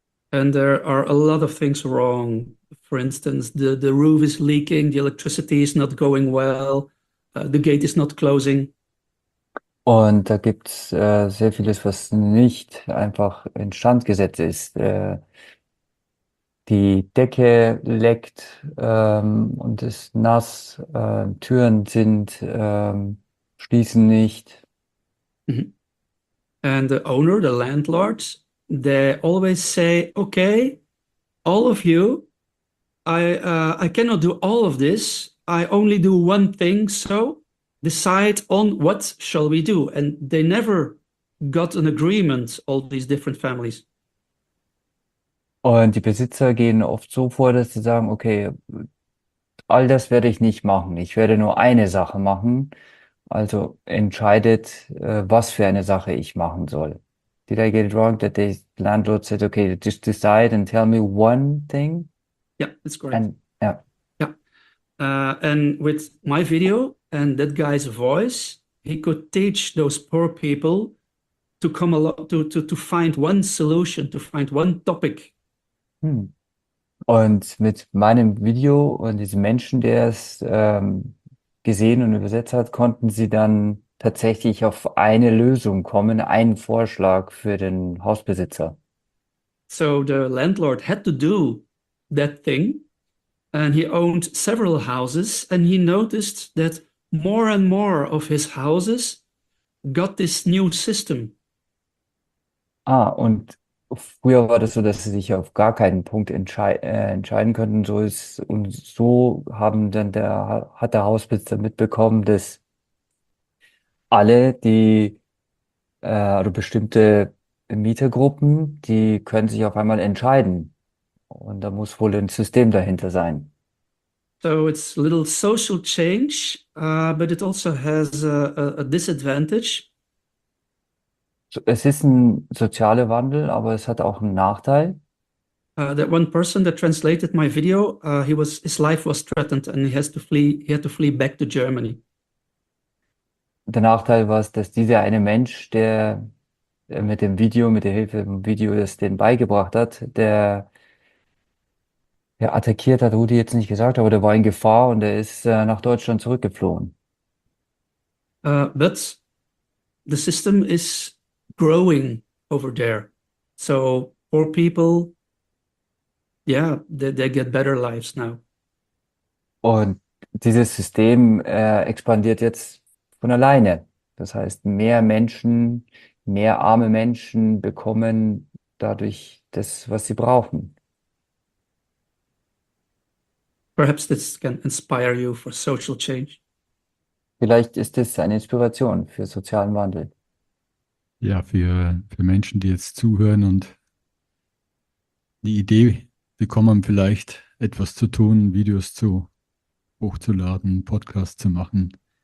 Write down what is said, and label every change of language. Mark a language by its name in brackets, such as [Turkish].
[English] And there are a lot of things wrong. For instance, the roof is leaking, the electricity is not going well, the gate is not closing. [German] Und da gibt es sehr vieles, was nicht einfach instand gesetzt ist. Die Decke leckt, und ist nass, Türen sind, schließen nicht. [English] And the owner, the landlords, they always say, "Okay, all of you, I cannot do all of this. I only do one thing, so decide on what shall we do." And they never got an agreement, all these different families. [German] Und die Besitzer gehen oft so vor, dass sie sagen, okay, all das werde ich nicht machen. Ich werde nur eine Sache machen. Also entscheidet, was für eine Sache ich machen soll. [English] Did I get it wrong that the landlord said, okay, just decide and tell me one thing? Yeah, that's correct. And ja. And with my video and that guy's voice, he could teach those poor people to come along to find one solution, to find one topic. [German] Und mit meinem Video und diesem Menschen, der es gesehen und übersetzt hat, konnten sie dann tatsächlich auf eine Lösung kommen, einen Vorschlag für den Hausbesitzer. [English] So the landlord had to do that thing, and he owned several houses, and he noticed that more and more of his houses got this new system. [German] Ah, und früher war das so, dass sie sich auf gar keinen Punkt entscheiden könnten. So ist, und so haben dann hat der Hausbesitzer mitbekommen, dass alle, die oder bestimmte Mietergruppen, die können sich auf einmal entscheiden. Und da muss wohl ein System dahinter sein. [English] So it's a little social change, but it also has a disadvantage. [German] Es ist ein sozialer Wandel, aber es hat auch einen Nachteil. [English] That one person that translated my video, he was his life was threatened and he had to flee back to Germany. [German] Der Nachteil war es, dass dieser eine Mensch, der mit dem Video, mit der Hilfe im Video, das den beigebracht hat, der attackiert hat, Rudi jetzt nicht gesagt, aber der war in Gefahr und er ist nach Deutschland zurückgeflohen. [English] But the system is growing over there. So poor people, yeah, they get better lives now. [German] Und dieses System expandiert jetzt von alleine. Das heißt, mehr Menschen, mehr arme Menschen bekommen dadurch das, was sie brauchen. [English] Perhaps this can inspire you for social change. [German] Vielleicht ist es eine Inspiration für sozialen Wandel. Ja, für Menschen, die jetzt zuhören und die Idee bekommen, vielleicht etwas zu tun, Videos zu hochzuladen, Podcasts zu machen.